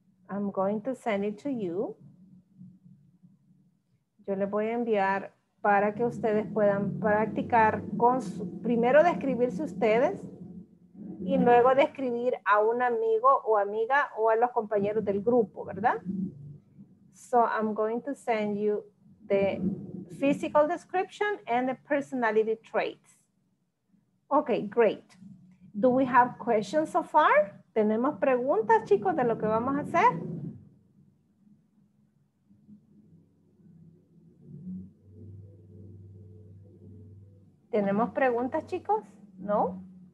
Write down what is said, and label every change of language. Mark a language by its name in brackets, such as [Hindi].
[English] I'm going to send it to you. [Spanish] Yo le voy a enviar para que ustedes puedan practicar con su, primero describirse ustedes y luego describir a un amigo o amiga o a los compañeros del grupo, ¿verdad? [English] So I'm going to send you the physical description and the personality traits. Okay, great. Do we have questions so far? [Spanish] ¿Tenemos preguntas, chicos, de lo que vamos a hacer? ¿Tenemos preguntas, chicos? ¿No?